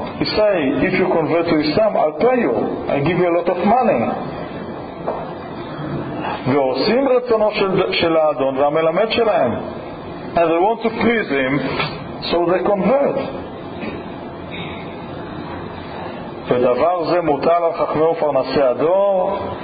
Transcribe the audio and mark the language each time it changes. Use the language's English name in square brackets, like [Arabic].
[English] He say, if you convert to Islam, I'll pay you. I'll give you a lot of money. [Hebrew] ועושים רצונו של האדון והמלמד שלהם. [English] And they want to please him, so they convert. [Hebrew] ודבר זה מוטל על חכמי ופרנסי הדור.